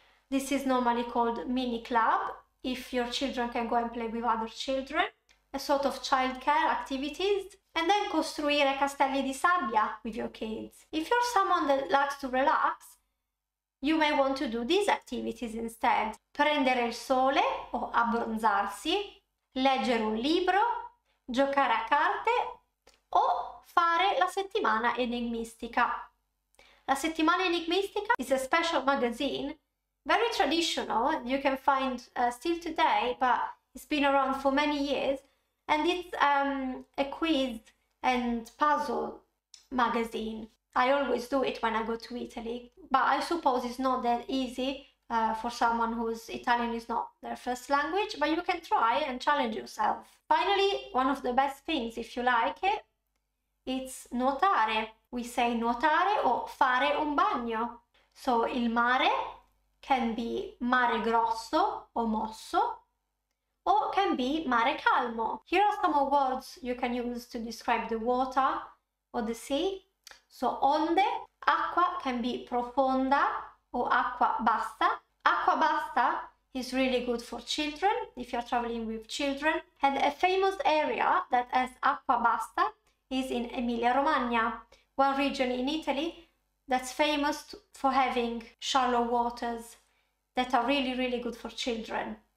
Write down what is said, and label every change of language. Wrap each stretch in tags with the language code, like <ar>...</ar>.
<en>This is normally called mini club, if your children can go and play with other children. A sort of childcare activities, and then</en> <it>costruire castelli di sabbia</it> <en>with your kids. If you're someone that likes to relax, you may want to do these activities instead.</en> <it>Prendere il sole o abbronzarsi, leggere un libro, giocare a carte o fare la settimana enigmistica.</it> <en>La settimana enigmistica is a special magazine, very traditional, you can find still today, but it's been around for many years, and it's a quiz and puzzle magazine. I always do it when I go to Italy, but I suppose it's not that easy for someone whose Italian is not their first language, but you can try and challenge yourself. Finally, one of the best things, if you like it, it's nuotare. We say</en> <it>nuotare o fare un bagno.</it> <en>So</en> <it>il mare</it> <en>can be</en> <it>mare grosso o mosso,</it> <en>or can be</en> <it>mare calmo.</it> <en>Here are some words you can use to describe the water or the sea. So onde, acqua can be profonda or acqua bassa. Acqua bassa is really good for children, if you're traveling with children. And a famous area that has acqua bassa is in Emilia-Romagna, one region in Italy that's famous for having shallow waters that are really, really good for children.</en>